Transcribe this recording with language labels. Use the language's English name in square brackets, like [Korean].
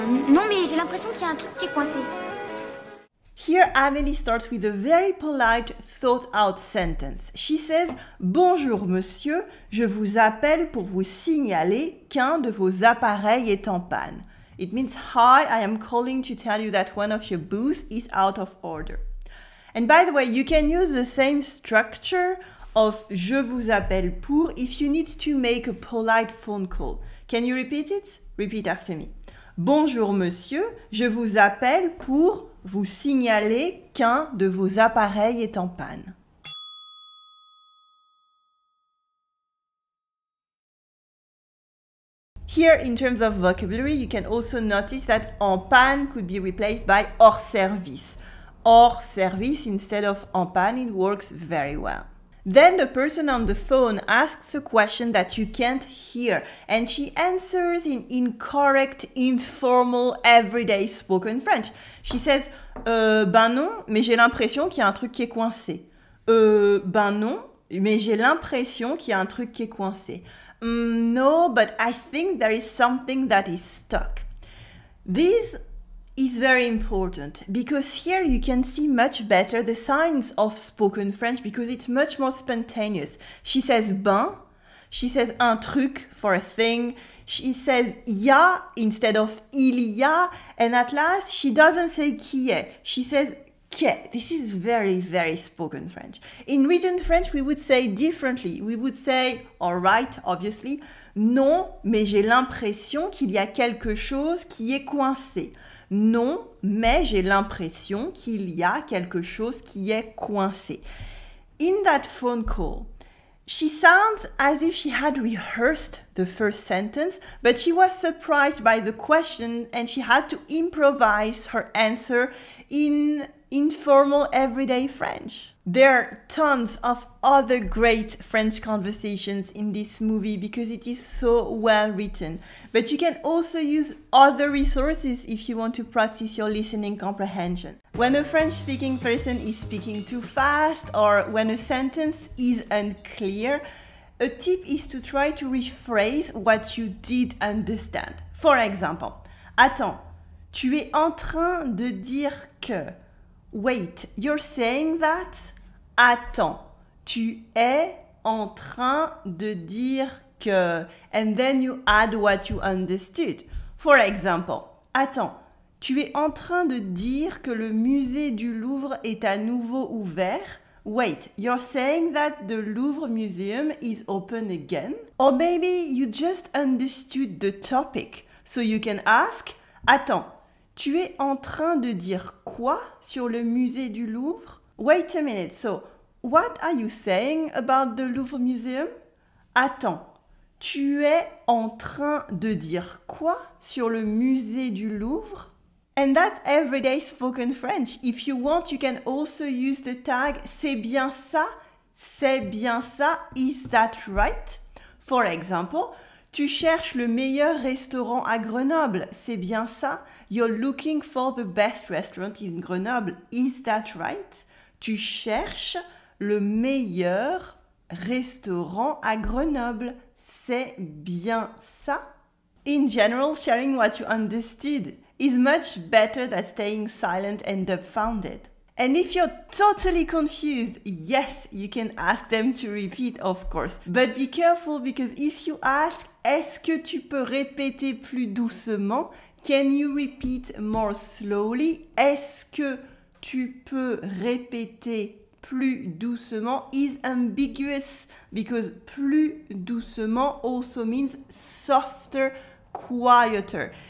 [French] Non mais j'ai l'impression qu'il y a un truc qui est coincé. [English] Here, Amélie starts with a very polite, thought-out sentence. She says, [French] bonjour monsieur, je vous appelle pour vous signaler qu'un de vos appareils est en panne. [English] It means, hi, I am calling to tell you that one of your booths is out of order. And by the way, you can use the same structure of [French] je vous appelle pour [English] if you need to make a polite phone call. Can you repeat it? Repeat after me. [French] Bonjour monsieur, je vous appelle pour vous signaler qu'un de vos appareils est en panne. [English] Here, in terms of vocabulary, you can also notice that en panne could be replaced by hors service. Hors service instead of en panne, it works very well. Then the person on the phone asks a question that you can't hear, and she answers in incorrect, informal, everyday spoken French. She says, [French] non, mais j'ai l'impression qu'il y a un truc qui est coincé. Non, mais j'ai l'impression qu'il y a un truc qui est coincé. [English] No, but I think there is something that is stuck. This is very important because here you can see much better the signs of spoken French because it's much more spontaneous. She says ben, she says un truc for a thing, she says ya instead of [French] il y a, [English] and at last she doesn't say [French] qui est, [English] she says que. This is very, very spoken French. In written French, we would say differently. We would say, all right, obviously, [French] non, mais j'ai l'impression qu'il y a quelque chose qui est coincé. Non, mais j'ai l'impression qu'il y a quelque chose qui est coincé. [English] In that phone call, she sounds as if she had rehearsed the first sentence, but she was surprised by the question and she had to improvise her answer in informal everyday French. There are tons of other great French conversations in this movie because it is so well written. But you can also use other resources if you want to practice your listening comprehension. When a French speaking person is speaking too fast or when a sentence is unclear, a tip is to try to rephrase what you did understand. For example, [French] attends, tu es en train de dire que. [English] Wait, you're saying that? [French] Attends, tu es en train de dire que. [English] And then you add what you understood. For example, [French] attends, tu es en train de dire que le musée du Louvre est à nouveau ouvert? [English] Wait, you're saying that the Louvre Museum is open again? Or maybe you just understood the topic. So you can ask, [French] attends, tu es en train de dire quoi sur le musée du Louvre? [English] Wait a minute. So, what are you saying about the Louvre Museum? [French] Attends, tu es en train de dire quoi sur le musée du Louvre? [English] And that's everyday spoken French. If you want, you can also use the tag [French] c'est bien ça? C'est bien ça? [English] Is that right? [French] For example, tu cherches le meilleur restaurant à Grenoble, c'est bien ça? [English] You're looking for the best restaurant in Grenoble, is that right? [French] Tu cherches le meilleur restaurant à Grenoble, c'est bien ça? [English] In general, sharing what you understood is much better than staying silent and dumbfounded. And if you're totally confused, yes, you can ask them to repeat, of course. But be careful because if you ask, [French] est-ce que tu peux répéter plus doucement? [English] Can you repeat more slowly? [French] Est-ce que tu peux répéter plus doucement? [English] Is ambiguous because plus doucement also means softer, quieter.